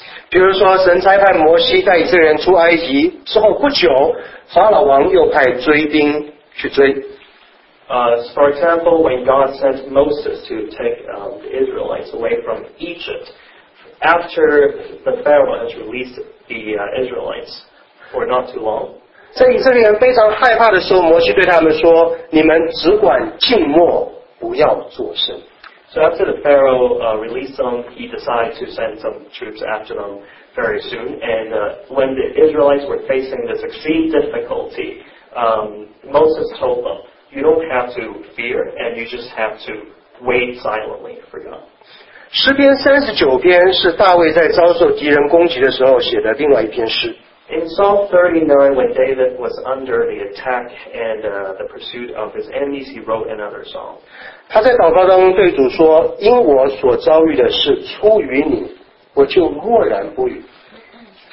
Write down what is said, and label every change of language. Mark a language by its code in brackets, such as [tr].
[zh] 比如说神差派摩西带以色列人出埃及之后不久法老王又派追兵去追。 [en] For example, when God sent Moses to take the Israelites away from Egypt, after the Pharaoh has released the Israelites for not too long, [zh] 在以色列人非常害怕的时候，摩西对他们说：“你们只管静默，不要作声。” [en] So after the Pharaoh released them, he decided to send some troops after them very soon. And when the Israelites were facing this extreme difficulty, Moses told them, "You don't have to fear, and you just have to wait silently for God." [zh] 诗篇三十九篇是大卫在遭受敌人攻击的时候写的另外一篇诗。 [en] In Psalm 39, when David was under the attack and the pursuit of his enemies, he wrote another psalm. [zh] 他在祷告当中对主说：“因我所遭遇的事出于你，我就默然不语。”